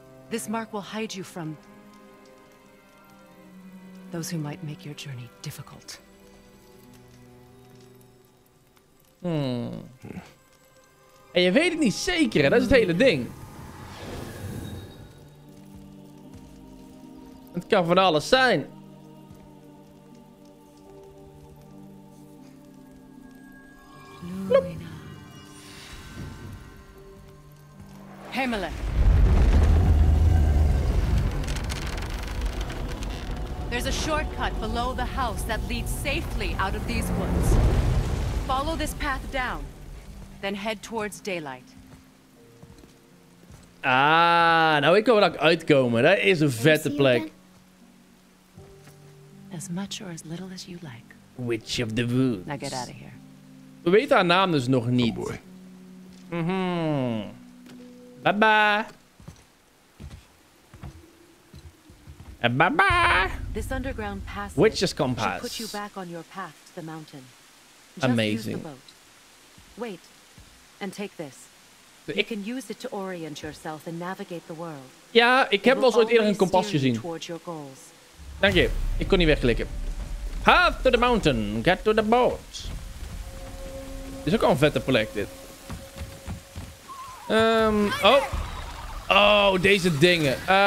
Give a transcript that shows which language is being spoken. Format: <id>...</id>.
<en>This mark will hide you from those who might make your journey difficult.</en> <nl>En je weet het niet zeker, hè? Dat is het hele ding. Het kan van alles zijn. Hemelen.</nl> <en>There's a shortcut below the house that leads safely out of these woods. Follow this path down, then head towards daylight.</en> <nl>Ah, nou ik kan wel uitkomen. Dat is een vette plek.</nl> <en>As much or as little as you like. Witch of the Woods. Now get out of here.</en> <nl>We weten haar naam dus nog niet.</nl> <en>Oh boy. Mm-hmm. Bye bye. And bye bye. This underground passage. Witch's compass. Should put you back on your path to the mountain. Just amazing. Use the boat. Wait, and take this. You can use it to orient yourself and navigate the world.</en> <nl>Ja, ik heb wel eens ooit eerder een kompas gezien. Dank je. Ik kon niet wegklikken.</nl> <en>Path to the mountain. Get to the boat.</en> <nl>Dit is ook al een vette plek, dit. Oh. Oh, deze dingen.</nl>